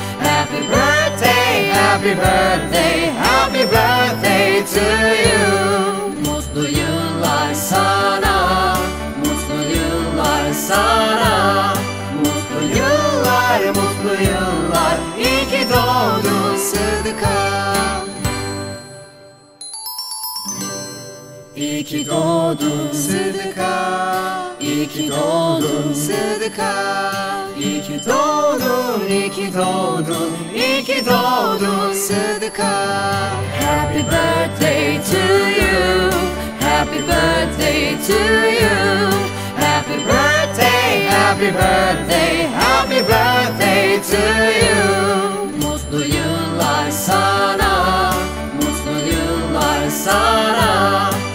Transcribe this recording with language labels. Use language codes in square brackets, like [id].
[en] Happy birthday, happy birthday, happy birthday to you. [tr] Mutlu yıllar sana, mutlu yıllar sana. Mutlu yıllar, mutlu yıllar, iyi ki doğdun Sıdıka. İyi ki doğdun Sıdıka. İyi ki doğdun Sıdıka. İyi ki doğdun, iyi ki doğdun, iyi ki doğdun Sıdıka. [en] Happy birthday to you. Happy birthday to you. Happy birthday, happy birthday, happy birthday to you. [tr] Mutlu yıllar sana, mutlu yıllar sana.